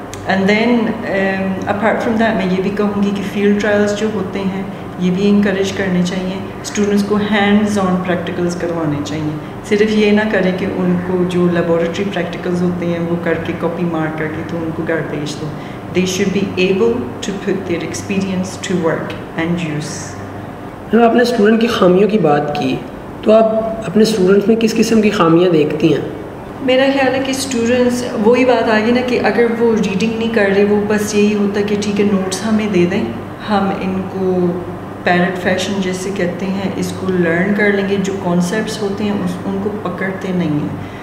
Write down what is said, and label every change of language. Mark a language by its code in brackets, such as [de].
[en] and then apart from that [ur] میں یہ بھی کہوں گی کہ فیلڈ ٹرائلس جو ہوتے ہیں یہ بھی انکریج کرنے چاہئیں, اسٹوڈنٹس کو ہینڈز آن پریکٹیکلس کروانے چاہئیں. صرف یہ نہ کریں کہ ان کو جو لیبوریٹری پریکٹیکلز ہوتے ہیں وہ کر کے کاپی مار کر کے تو ان کو گھر بھیج دو. [en] They should be able to put their experience to work and use. [ur] ہم اپنے اسٹوڈنٹ کی خامیوں کی بات کی تو آپ اپنے اسٹوڈنٹس میں کس قسم کی خامیاں دیکھتی ہیں؟ میرا خیال ہے کہ اسٹوڈنٹس وہی بات آ گئی نا کہ اگر وہ ریڈنگ نہیں کر رہے وہ بس یہی ہوتا کہ ٹھیک ہے نوٹس ہمیں دے دیں, ہم ان کو پیرٹ فیشن جیسے کہتے ہیں اس کو لرن کر لیں گے, جو کانسیپٹس ہوتے ہیں ان کو پکڑتے نہیں ہیں.